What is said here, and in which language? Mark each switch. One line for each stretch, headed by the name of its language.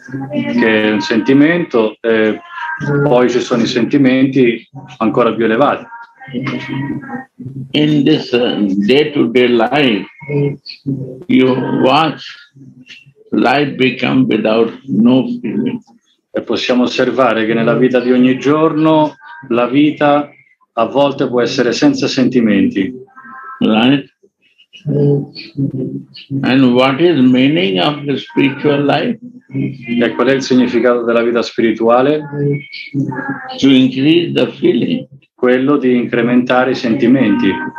Italian: Che è un sentimento, e poi ci sono i sentimenti ancora più elevati.
English: In this day-to-day life, you watch life become without no feeling.
Italian: E possiamo osservare che nella vita di ogni giorno la vita a volte può essere senza sentimenti.
English: Right? And what is meaning of the spiritual life?
Italian: E qual è il significato della vita spirituale?
English: To increase the feeling.
Italian: Quello di incrementare i sentimenti.